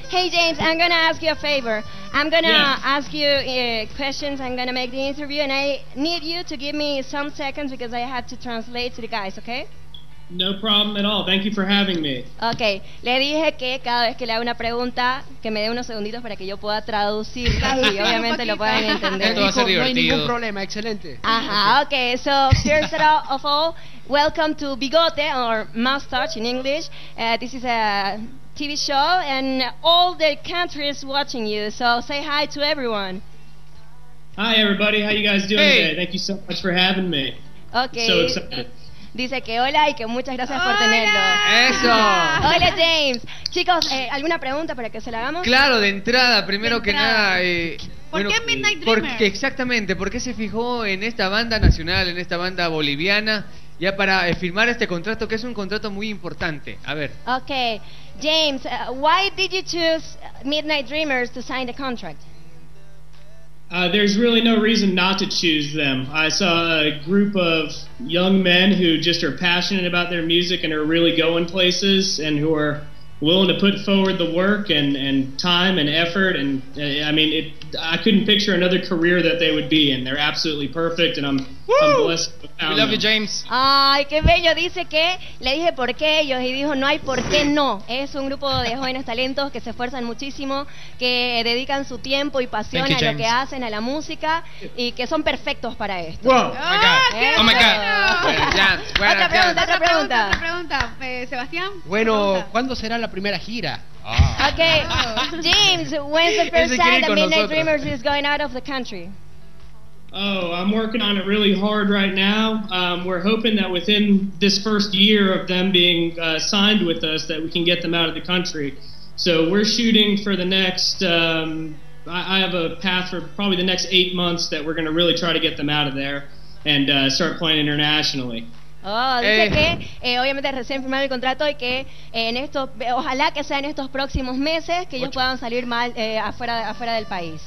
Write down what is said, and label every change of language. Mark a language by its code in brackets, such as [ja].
[en] Hey, James, I'm going to ask you a favor. I'm going to ask you questions. I'm going to make the interview, and I need you to give me some seconds because I have to translate to the guys, okay? No problem at all. Thank you for having me. Okay. [es] Le dije que cada vez que le hago una pregunta, que me dé unos segunditos para que yo pueda traducir y obviamente lo puedan entender. Esto va a ser divertido. No hay ningún problema. Excelente. [en] Ajá. Okay. So first of all, welcome to Bigote or Mustache in English. This is a TV show and all the countries watching you. So say hi to everyone. Hi everybody. How you guys doing today? Thank you so much for having me. Okay. So excited. [es] Dice que hola y que muchas gracias por tenerlo. ¡Eso! ¡Hola, James! Chicos, ¿alguna pregunta para que se la hagamos? Claro, de entrada, primero que nada. ¿Por qué Midnight Dreamers? Exactamente, ¿por qué se fijó en esta banda nacional, en esta banda boliviana, ya para firmar este contrato, que es un contrato muy importante? A ver. [en] Ok, James, why did you choose Midnight Dreamers to sign the contract? There's really no reason not to choose them. I saw a group of young men who just are passionate about their music and are really going places and who are willing to put forward the work and time and effort. And I couldn't picture another career that they would be in. They're absolutely perfect and I'm blessed. We love you, James. [es] Ay, qué bello. Dice que le dije por qué ellos y dijo no hay por qué no. Es un grupo de jóvenes talentos que se esfuerzan muchísimo, que dedican su tiempo y pasión a lo que hacen, a la música, y que son perfectos para esto. [en] Wow. Oh my God. Oh my God. Yeah. [es] Otra pregunta. Sebastián. Bueno, pregunta. ¿Cuándo será la primera gira? [en] Oh. Okay, James. When's the first time that Midnight Dreamers is going out of the country? Oh, I'm working on it really hard right now. We're hoping that within this first year of them being signed with us, that we can get them out of the country. So we're shooting for the next, I have a path for probably the next 8 months that we're going to really try to get them out of there and start playing internationally. [es] Oh, dice que obviamente recién firmado el contrato y que ojalá que sea en estos próximos meses que ellos puedan salir mal afuera del país.